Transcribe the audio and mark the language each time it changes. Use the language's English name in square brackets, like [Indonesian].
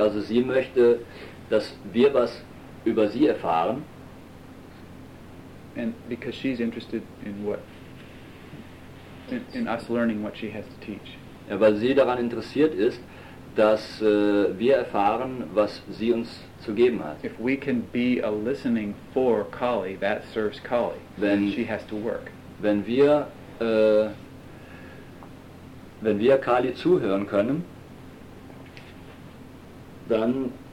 [German] Also sie möchte, dass wir was über sie erfahren. [English] And because she's interested in what in us learning what she has to teach. [German] Ja, weil sie daran interessiert ist, dass wir erfahren, was sie uns zu geben hat. [English] If we can be a listening for Kali, that serves Kali. [German] Wenn [English] she has to work. [German] Wenn wir Kali zuhören können, dann